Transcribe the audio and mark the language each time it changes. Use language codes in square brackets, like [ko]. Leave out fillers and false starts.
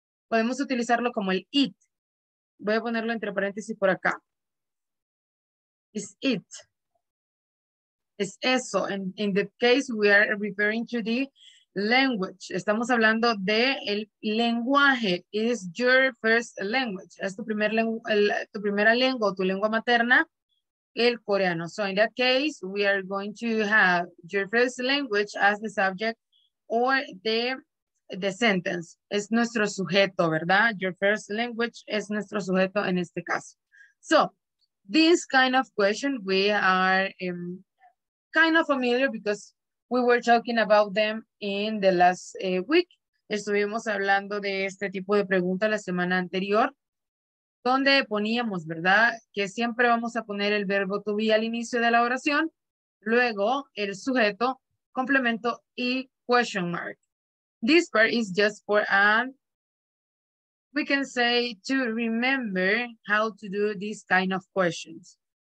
[es] Podemos utilizarlo como el it. Voy a ponerlo entre paréntesis por acá. Is it. Es eso. [en] In the case, we are referring to the language. [es] Estamos hablando de el lenguaje. Is your first language. Es tu, primer lengua, tu primera lengua, tu lengua materna, el coreano. [en] So in that case, we are going to have your first language as the subject or the sentence. [es] Es nuestro sujeto, ¿verdad? Your first language es nuestro sujeto en este caso. [en] So, this kind of question we are kind of familiar because we were talking about them in the last week. [es] Estuvimos hablando de este tipo de preguntas la semana anterior, donde poníamos, ¿verdad? Que siempre vamos a poner el verbo to be al inicio de la oración luego el sujeto, complemento y question mark. [en] This part is just for an, we can say, to remember how to do these kind of questions.